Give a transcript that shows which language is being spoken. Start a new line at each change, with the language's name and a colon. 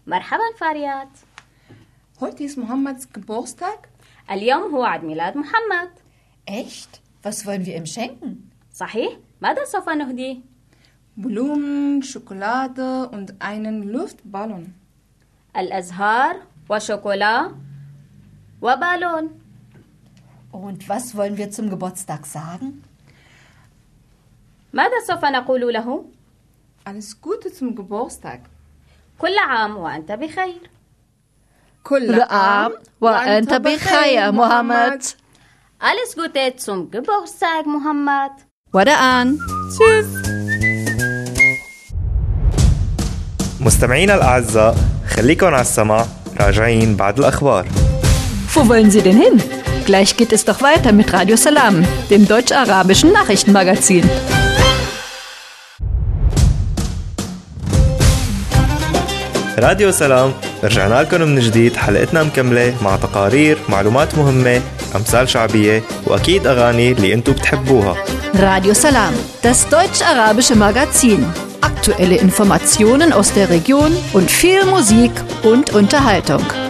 Arabic: Marhaban, Fariat.
German: Heute ist Mohammeds Geburtstag.
Arabic: اليوم هو عيد ميلاد محمد.
German: Echt? Was wollen wir ihm schenken?
Arabic: صحيح. ماذا سوف نهدي؟
German: Blumen, Schokolade und einen Luftballon.
Arabic: الأزهار وشوكولا وبالون.
German: Und was wollen wir zum Geburtstag sagen?
Arabic: ماذا سوف نقول له؟
German: Alles Gute zum Geburtstag.
Arabic: كل عام وأنت بخير. كل عام وأنت بخير محمد.
German: Alles Gute zum Geburtstag, Muhammad.
Arabic: ودعان.
German: Tschüss.
Arabic: مستمعينا الأعزاء، خليكم على السماع، راجعين بعد الأخبار.
German: Wo wollen Sie denn hin? Gleich geht es doch weiter mit Radio Salam, dem deutsch-arabischen Nachrichtenmagazin.
Arabic: راديو سلام، رجعنا لكم من جديد. حلقتنا مكملة مع تقارير، معلومات مهمة، أمثال شعبية وأكيد أغاني اللي أنتوا بتحبوها.
German: راديو سلام، das deutsch-arabische Magazin. Aktuelle Informationen aus der Region und viel Musik und Unterhaltung.